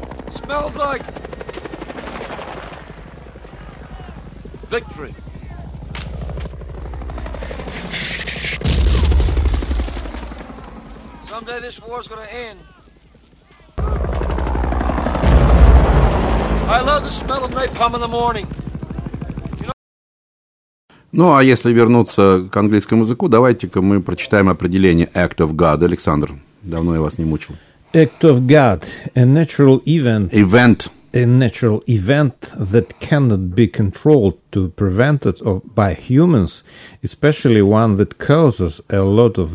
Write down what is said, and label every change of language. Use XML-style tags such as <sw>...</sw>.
<en>Smells like victory. Someday this war's gonna end. I love the smell of napalm in the morning.</en> <ru>Ну, а если вернуться к английскому языку, давайте-ка мы прочитаем определение «act of God». Александр, давно я вас не мучил.</ru> <en>«Act of God» – «a natural event». «Event». «A natural event that cannot be controlled to prevent it by humans, especially one that causes a lot of</en>